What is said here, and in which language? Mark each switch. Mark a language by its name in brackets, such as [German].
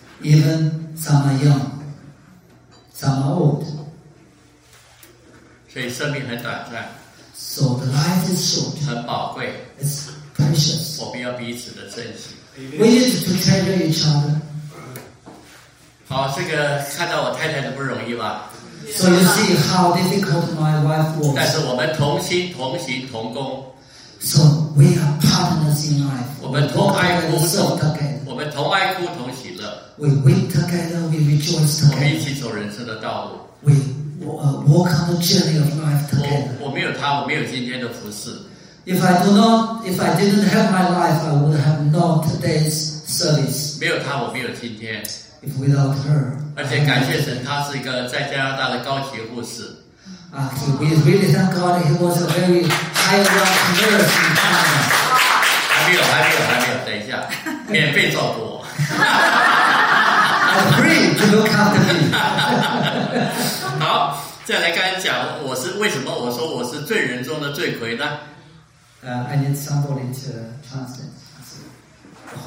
[English] Even some are young. Some are old. [Chinese] 所以生命很短暂。 [English] So the life is short. [Chinese] 很宝贵。 [English] It's precious. [Chinese] 我们要彼此的珍惜。 [English] We need to treasure each other. [Chinese] 好，这个看到我太太的不容易吧。 [English] So you see how difficult my wife was. [Chinese] 但是我们同心同行同工。 [English] So we are partners in life. [Chinese] 我们同爱哭同喜乐。我们同爱哭同喜乐。 [English] We weep together, we rejoice together. [Chinese] 我们一起走人生的道路。 [English] We walk on the journey of life together. [Chinese] 我没有他，我没有今天的服事。 [English] If I didn't have my life, I would have not today's service. [Chinese] 没有他，我没有今天。 [English] If without her. [Chinese] 而且感谢神，他是一个在加拿大的高级护士。 [English] We really thank God he was a very high-ranked nurse in China. [Chinese] 还没有，等一下，免费照顾我。 [English] I pray to look after me. [Chinese] 好，再来刚才讲我是为什么我说我是罪人中的罪魁呢？ [English] I need somebody to translate.